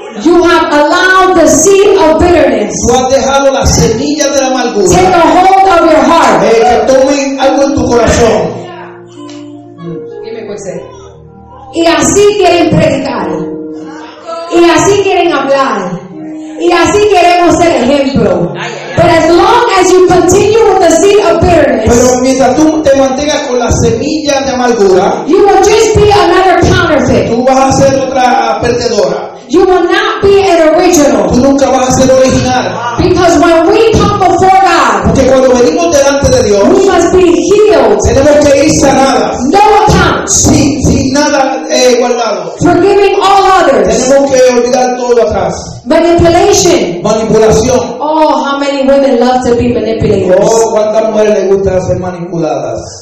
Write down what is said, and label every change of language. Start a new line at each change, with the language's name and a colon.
English: You have allowed the seed of bitterness.
Spanish: Tú has dejado la semilla de la amargura.
English: Take a hold of your heart.
Spanish: Que tome algo en tu corazón. Dime cuál sé. Y así quieren predicar. Y así quieren hablar. Y así queremos ser ejemplo.
English: But as long as you continue with the seed of bitterness,
Spanish: pero mientras tú te mantengas con la semilla de amargura,
English: you will just be another counterfeit.
Spanish: Tú vas a ser otra perdedora.
English: You will not be an original.
Spanish: Tú nunca vas a ser original.
English: Because when we come before God,
Spanish: porque cuando venimos delante de Dios,
English: we must be healed.
Spanish: Tenemos que ir sanadas.
English: No accounts.
Spanish: Sin nada guardado.
English: Forgiving all others.
Spanish: Tenemos que olvidar todo atrás.
English: Manipulation.
Spanish: Manipulación.
English: Oh, how many women love to be manipulated.
Spanish: Oh, cuántas mujeres les gusta ser manipuladas.